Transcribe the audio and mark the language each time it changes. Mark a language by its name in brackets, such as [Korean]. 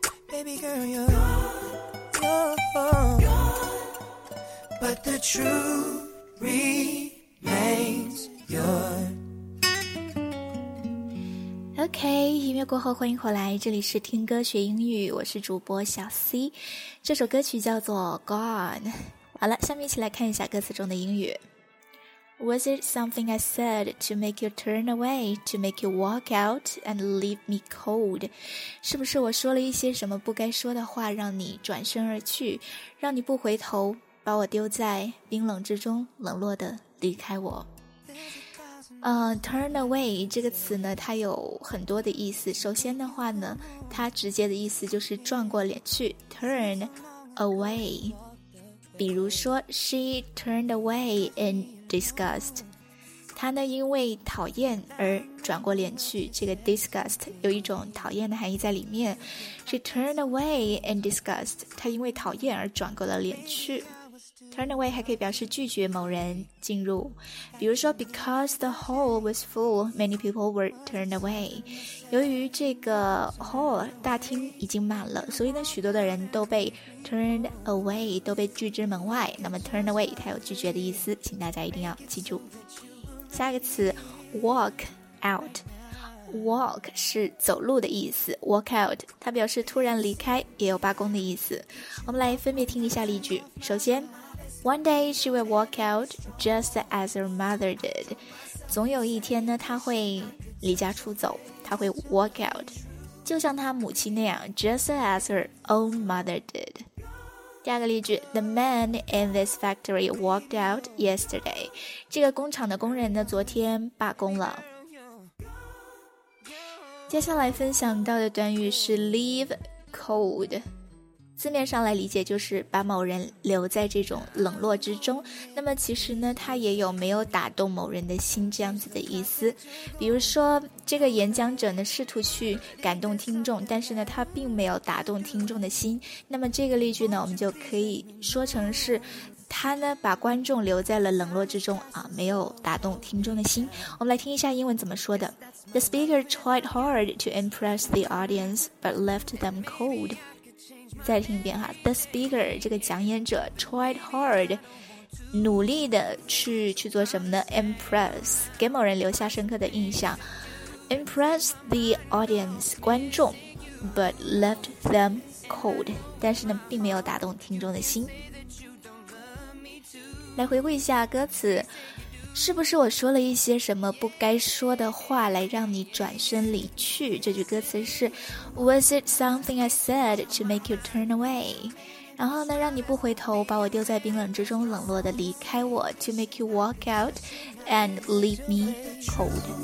[English] baby girl, you're gone, gone. But the truth remains you're. [Chinese] OK, 音乐过后欢迎回来，这里是听歌学英语，我是主播小 C， 这首歌曲叫做 Gone。好了，下面一起来看一下歌词中的英语。 [English] Was it something I said to make you turn away, to make you walk out and leave me cold? [Chinese] 是不是我说了一些什么不该说的话让你转身而去，让你不回头，把我丢在冰冷之中，冷落的离开我。 Turn away 这个词呢，它有很多的意思。首先的话呢，它直接的意思就是转过脸去， turn away。比如说 [English] She turned away in disgust， [Chinese] 她呢因为讨厌而转过脸去，这个 disgust 有一种讨厌的含义在里面。 [English] She turned away in disgust， [Chinese] 她因为讨厌而转过了脸去。 [English] Turn away [Chinese] 还可以表示拒绝某人进入，比如说 [English] Because the hall was full, many people were turned away。 [Chinese] 由于这个 hall 大厅已经满了，所以呢许多的人都被Turned away， 都被拒之门外。那么 turn away 它有拒绝的意思，请大家一定要记住。下一个词 walk out， walk 是走路的意思， walk out 它表示突然离开，也有罢工的意思。我们来分别听一下例句。 [English] 首先 One day she will walk out just as her mother did， [Chinese] 总有一天呢她会离家出走，她会 [English] walk out [Chinese] 就像他母亲那样， [English] just as her own mother did。 [Chinese] 第二个例句， [English] The man in this factory walked out yesterday， [Chinese] 这个工厂的工人呢昨天罢工了。接下来分享到的短语是 leave cold， 字面上来理解就是把某人留在这种冷落之中，那么其实呢他也有没有打动某人的心这样子的意思。比如说这个演讲者呢试图去感动听众，但是呢他并没有打动听众的心，那么这个例句呢我们就可以说成是他呢把观众留在了冷落之中啊，没有打动听众的心。我们来听一下英文怎么说的。 [English] The speaker tried hard to impress the audience but left them cold。 [Chinese] 再听一遍哈， [English] The speaker [Chinese] 这个讲演者 [English] tried hard [Chinese] 努力的去做什么呢？ Impress 给某人留下深刻的印象， [English] Impress the audience [Chinese] 观众， [English] But left them cold [Chinese] 但是呢并没有打动听众的心。来回顾一下歌词，是不是我说了一些什么不该说的话来让你转身离去？这句歌词是 [English] Was it something I said to make you turn away？ [Chinese] 然后呢让你不回头，把我丢在冰冷之中，冷落的离开我， [English] To make you walk out and leave me cold。